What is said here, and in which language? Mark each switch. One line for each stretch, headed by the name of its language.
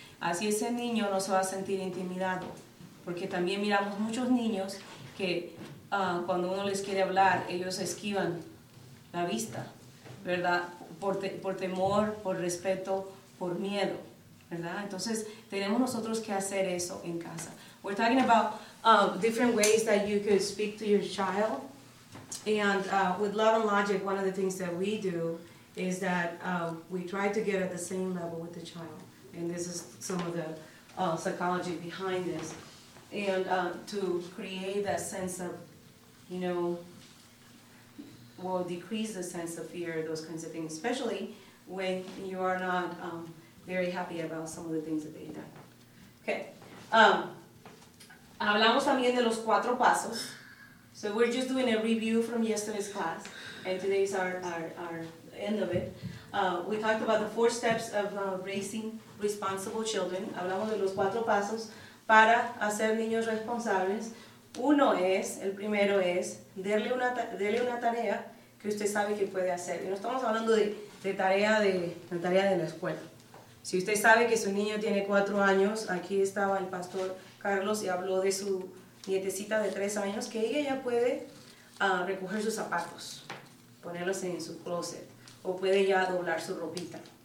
Spanish: Así ese niño no se va a sentir intimidado, porque también miramos muchos niños que cuando uno les quiere hablar, ellos esquivan la vista, ¿verdad? Por temor, por respeto, por miedo, ¿verdad? Entonces, tenemos nosotros que hacer eso en casa.
English: We're talking about different ways that you could speak to your child. And with love and logic, one of the things that we do is that we try to get at the same level with the child. And this is some of the psychology behind this. And to create that sense of, you know, will decrease the sense of fear, those kinds of things, especially when you are not very happy about some of the things that they've done.
Spanish: Okay. Hablamos también de los cuatro pasos.
English: So we're just doing a review from yesterday's class, and today's our end of it. We talked about the four steps of raising responsible children.
Spanish: Hablamos de los cuatro pasos para hacer niños responsables. Uno es, el primero es, darle una tarea que usted sabe que puede hacer. Y no estamos hablando de tarea de la escuela. Si usted sabe que su niño tiene 4 años, aquí estaba el pastor Carlos y habló de su nietecita de 3 años, que ella ya puede recoger sus zapatos, ponerlos en su closet, o puede ya doblar su ropita.